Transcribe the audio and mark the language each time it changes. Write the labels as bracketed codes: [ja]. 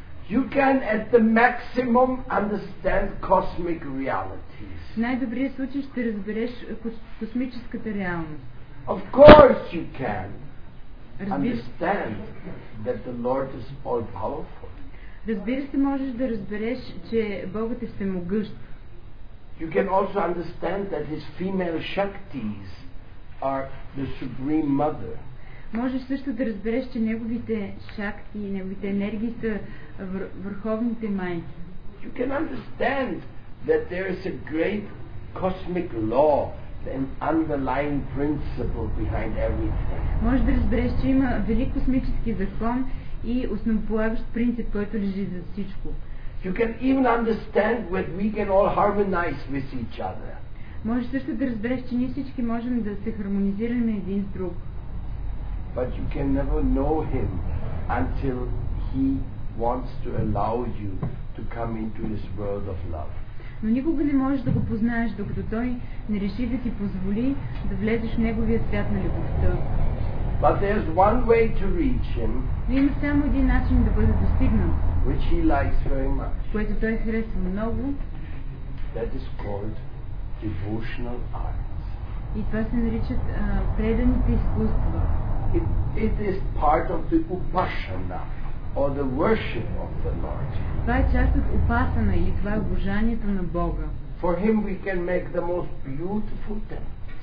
[en] You can at the maximum understand cosmic realities. [bg] В най-добрия случай ще разбереш космическата реалност. [en] Of course you can. Understand that the Lord is all powerful. [bg] Разбира се, можеш да разбереш, че Богът е всемогъщ. [en] You can also understand that his female shaktis are the supreme mother. [bg] Можеш също да разбереш, че неговите шакти и неговите енергии са върховните майки. [en] You can understand that there is a great cosmic law, an underlying principle behind everything. [bg] Може да разбереш, че има велик космически закон и основополагащ принцип, който лежи за всичко. [en] You can even understand that we can all harmonize with each other. [bg] Може също да разбереш, че ние всички можем да се хармонизираме един с друг. [en] But you can never know him until he wants to allow you to come into his world of love. [bg] Но никога не можеш да го познаеш, докато той не реши да ти позволи да влезеш в неговия свят на любовта. [en] But there's one way to reach him, [bg] но има само един начин да бъде достигнат, [en] which he likes very much, [bg] което той харесва много. [en] That is called devotional arts. [bg] И това се наричат преданите изкуства. [en] It is part of the upasana or the worship of the Lord. [bg] Това е част от упасана или това е обожанието на Бога. [en] For him we can make the most beautiful temple.